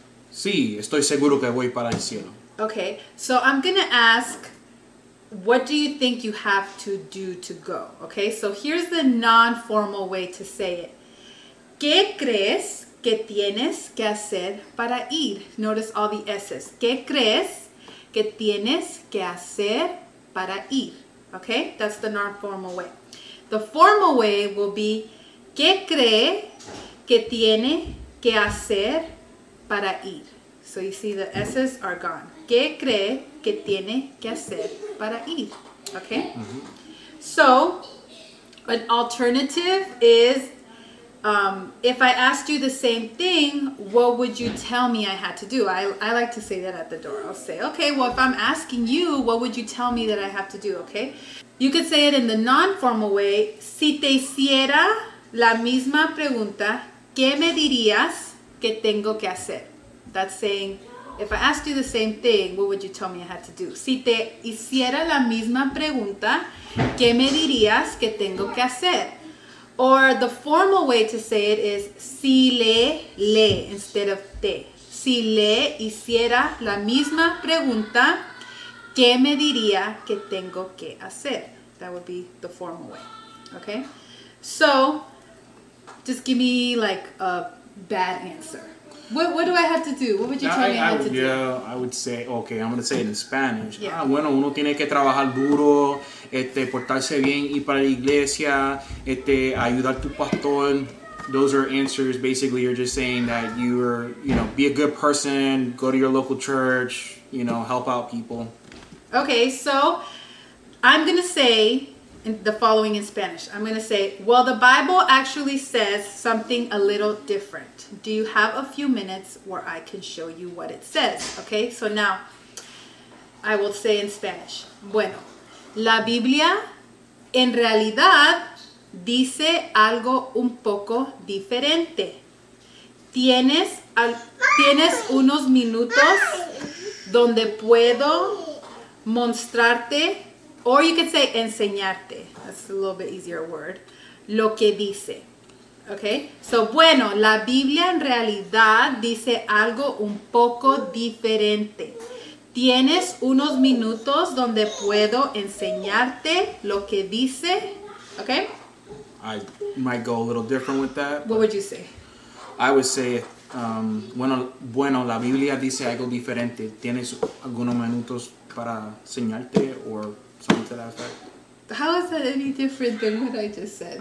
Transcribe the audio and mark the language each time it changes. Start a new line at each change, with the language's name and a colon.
Spanish: Sí, estoy seguro que voy para el cielo.
English: Okay, so I'm going to ask, what do you think you have to do to go? Okay, so here's the non-formal way to say it.
Spanish: ¿Qué crees que tienes que hacer para ir?
English: Notice all the S's.
Spanish: ¿Qué crees que tienes que hacer para ir?
English: Okay, that's the non-formal way. The formal way will be
Spanish: ¿Qué cree que tiene que hacer para ir?
English: So you see the S's are gone.
Spanish: ¿Qué cree que tiene que hacer para ir?
English: Okay? Mm-hmm. So, an alternative is if I asked you the same thing, what would you tell me I had to do? I like to say that at the door. I'll say, okay, well, if I'm asking you, what would you tell me that I have to do, okay? You could say it in the non-formal way.
Spanish: Si te hiciera la misma pregunta, ¿qué me dirías que tengo que hacer?
English: That's saying, if I asked you the same thing, what would you tell me I had to do?
Spanish: Si te hiciera la misma pregunta, ¿qué me dirías que tengo que hacer?
English: Or the formal way to say it is si le instead of te.
Spanish: Si le hiciera la misma pregunta, ¿qué me diría que tengo que hacer?
English: That would be the formal way. Okay? So, just give me like a bad answer. What do I have to do? What would you tell me I had to do? Yeah, I would say, okay, I'm going to say it in Spanish. Yeah.
Spanish: Ah, bueno, uno tiene que trabajar duro, portarse bien, ir para la iglesia, ayudar tu pastor.
English: Those are answers. Basically, you're just saying that you're, you know, be a good person, go to your local church, you know, help out people. Okay, so I'm going to say the following in Spanish. I'm going to say, well, the Bible actually says something a little different. Do you have a few minutes where I can show you what it says? Okay, so now I will say in Spanish.
Spanish: Bueno, la Biblia en realidad dice algo un poco diferente. ¿Tienes unos minutos donde puedo mostrarte?
English: Or you could say enseñarte. That's a little bit easier word.
Spanish: Lo que dice.
English: Okay, so
Spanish: bueno, la Biblia en realidad dice algo un poco diferente. ¿Tienes unos minutos donde puedo enseñarte lo que dice?
English: Okay? I might go a little different with that. What would you say? I would say,
Spanish: bueno, la Biblia dice algo diferente. ¿Tienes algunos minutos para enseñarte
English: or something to that effect? How is that any different than what I just said?